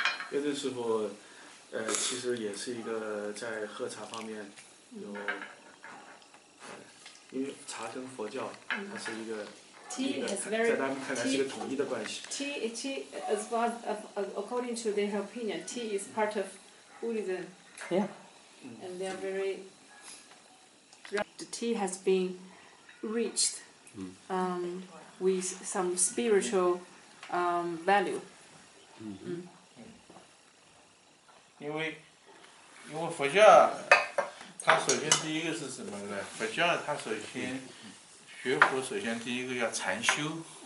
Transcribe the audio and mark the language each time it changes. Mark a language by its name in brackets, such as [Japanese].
[Chinese] 岳正师傅，其实也是一个在喝茶方面有，因为茶跟佛教，它是一个，在他们看来是一个统一的关系。 [English] Tea as far as according to their opinion, tea is part of Buddhism. Yeah. And they are very. The tea has been reached with some spiritual value. [Chinese] 因为佛教，它首先第一个是什么呢？佛教它首先学佛，首先第一个要禅修。